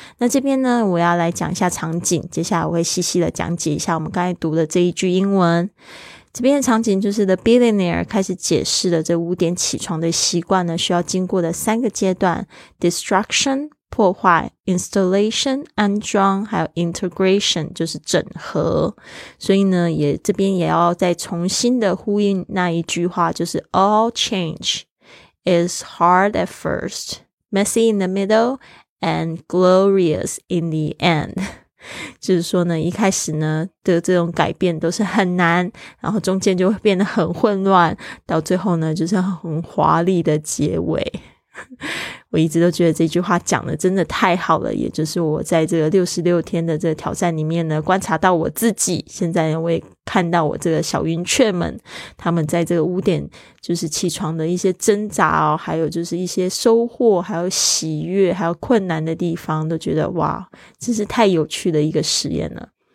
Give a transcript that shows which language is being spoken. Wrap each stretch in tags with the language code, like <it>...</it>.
<zh>那这边呢，我要来讲一下场景，接下来我会细细的讲解一下我们刚才读的这一句英文。这边的场景就是 The Billionaire 开始解释了这五点起床的习惯呢，需要经过的三个阶段 Destruction 破坏 Installation 安装还有 Integration 就是整合。所以呢，也这边也要再重新的呼应那一句话，就是</zh> <en>All change is hard at first, messy in the middle, and glorious in the end.</en> <zh>就是说呢，一开始呢的这种改变都是很难，然后中间就会变得很混乱，到最后呢就是很华丽的结尾。我一直都觉得这句话讲的真的太好了，也就是我在这个66天的这个挑战里面呢观察到我自己，现在我也看到我这个小云雀们他们在这个五点就是起床的一些挣扎哦，还有就是一些收获还有喜悦还有困难的地方，都觉得哇，这是太有趣的一个实验了。</zh>